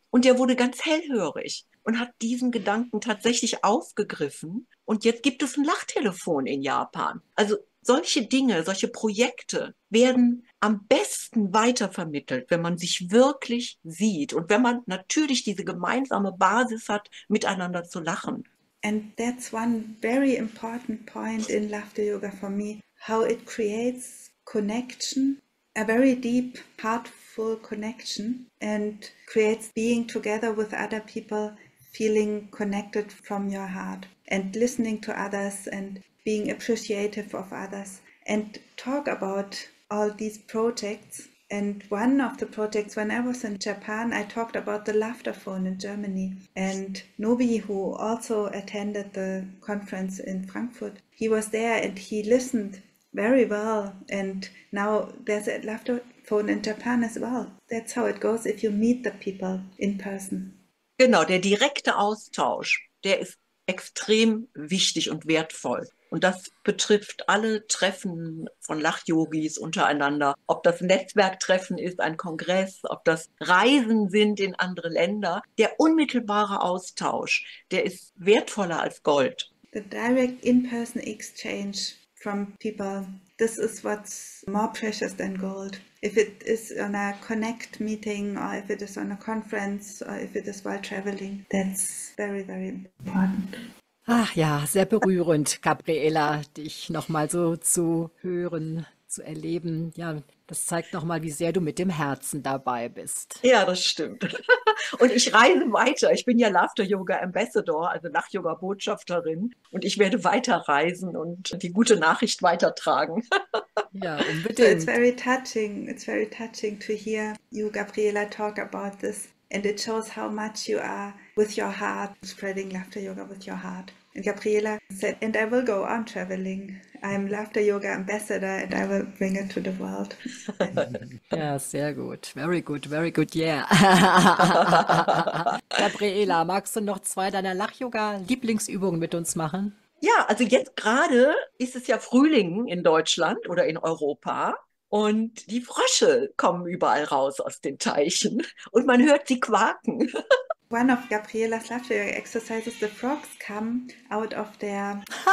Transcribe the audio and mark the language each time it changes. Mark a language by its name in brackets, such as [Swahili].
[German] Und der wurde ganz hellhörig und hat diesen Gedanken tatsächlich aufgegriffen. Und jetzt gibt es ein Lachtelefon in Japan. Also solche Dinge, solche Projekte werden am besten weitervermittelt, wenn man sich wirklich sieht und wenn man natürlich diese gemeinsame Basis hat, miteinander zu lachen. [English] And that's one very important point in Laughter Yoga for me, how it creates connection, a very deep, heartful connection and creates being together with other people, feeling connected from your heart and listening to others and being appreciative of others. And talk about all these projects. And one of the projects, when I was in Japan, I talked about the laughter phone in Germany. And Nobi, who also attended the conference in Frankfurt, he was there and he listened very well. And now there's a laughter phone in Japan as well. That's how it goes if you meet the people in person. [German] Genau, der direkte Austausch, der ist extrem wichtig und wertvoll. Und das betrifft alle Treffen von Lach-Yogis untereinander. Ob das Netzwerktreffen ist, ein Kongress, ob das Reisen sind in andere Länder. Der unmittelbare Austausch, der ist wertvoller als Gold. [English] The direct in-person exchange from people, this is what's more precious than gold. If it is on a connect meeting or if it is on a conference or if it is while traveling, that's very, very important. [German] Ach ja, sehr berührend, Gabriela, dich nochmal so zu hören, zu erleben. Ja, das zeigt nochmal, wie sehr du mit dem Herzen dabei bist. Ja, das stimmt. Und ich reise weiter. Ich bin ja Laughter Yoga Ambassador, also Lach-Yoga-Botschafterin. Und ich werde weiterreisen und die gute Nachricht weitertragen. Ja, unbedingt. [English] It's very touching. It's very touching to hear you, Gabriela, talk about this. And it shows how much you are with your heart, spreading laughter yoga with your heart. And Gabriela said, and I will go on traveling. I'm laughter yoga ambassador and I will bring it to the world. [German] Ja, sehr gut. [English] Very good, very good, yeah. [German] Gabriela, magst du noch zwei deiner Lach-Yoga-Lieblingsübungen mit uns machen? Ja, also jetzt gerade ist es ja Frühling in Deutschland oder in Europa. Und die Frösche kommen überall raus aus den Teichen und man hört sie quaken. [English] One of Gabrielas laughter exercises, the frogs come out of their...